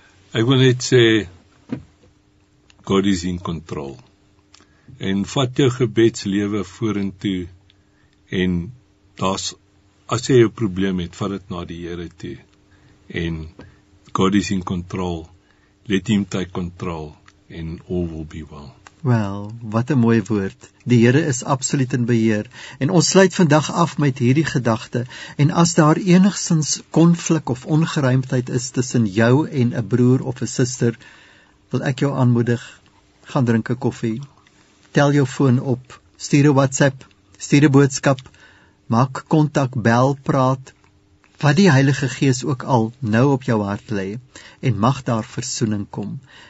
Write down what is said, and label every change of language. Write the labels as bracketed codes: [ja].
[af] Ek wil net sê, [en] God is in control. [af] En vat jou gebedslewe vorentoe en daar's, as jy 'n probleem het, vat dit na die Here toe. En [en] God is in control. let him take control and all will be well. [af] Wel, wat 'n mooi woord. Die Here is absoluut in beheer. En ons sluit vandag af met hierdie gedagte. En as daar enigsins konflik of ongeruimdheid is tussen jou en 'n broer of 'n suster, wil ek jou aanmoedig, gaan drink 'n koffie. Tel jou foon op, stuur 'n WhatsApp, stuur 'n boodskap, maak kontak, bel, praat, wat die Heilige Gees ook al nou op jou hart lê, en mag daar versoening kom.